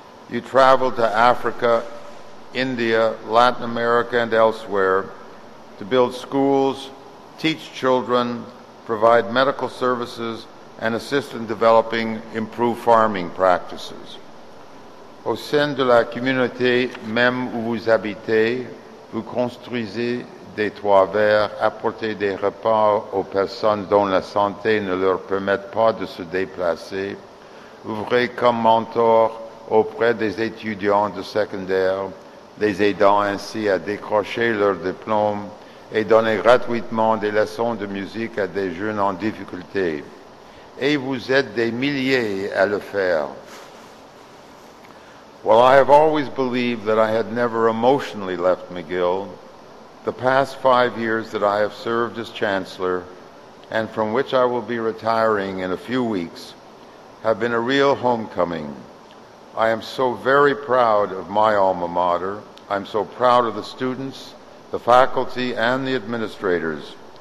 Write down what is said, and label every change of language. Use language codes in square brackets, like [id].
[en] You traveled to Africa, India, Latin America, and elsewhere to build schools, teach children, provide medical services, and assist in developing improved farming practices. [fr] Au sein de la communauté même où vous habitez, vous construisez des toits verts, apportez des repas aux personnes dont la santé ne leur permet pas de se déplacer, ouvrez comme mentor auprès des étudiants de secondaire, les aidant ainsi à décrocher leur diplôme et donnez gratuitement des leçons de musique à des jeunes en difficulté. Et vous êtes des milliers à le faire. [en] While I have always believed that I had never emotionally left McGill, the past 5 years that I have served as Chancellor, and from which I will be retiring in a few weeks, have been a real homecoming. I am so very proud of my alma mater. I'm so proud of the students, the faculty, and the administrators.